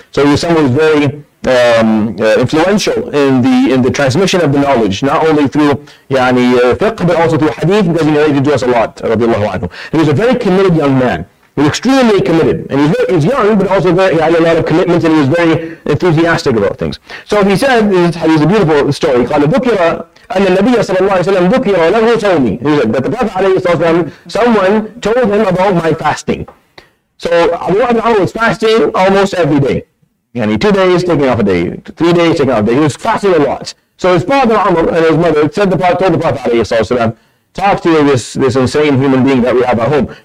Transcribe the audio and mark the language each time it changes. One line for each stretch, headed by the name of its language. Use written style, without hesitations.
English: So he was someone who's very influential in the transmission of the knowledge, not only through fiqh, but also through hadith, because he related to us a lot, radiallahu anhu. He was a very committed young man. He was extremely committed, and he was young, but also he had a lot of commitment, and he was very enthusiastic about things. So he said, this is a beautiful story,
Arabic: قَالَ ذُكِرَ أَنَّ النَّبِيَّ صَلَى اللَّهِ وَسَلَّمَ ذُكِرَ لَهُ تَوْمِي.
English: He said, that the Prophet ﷺ, someone told him about my fasting. So Abdullah ibn Amr was fasting almost every day. And 2 days, taking off a day, 3 days, taking off a day. He was fasting a lot. So his father Amr and his mother told the Prophet ﷺ, talk to this insane human being that we have at home.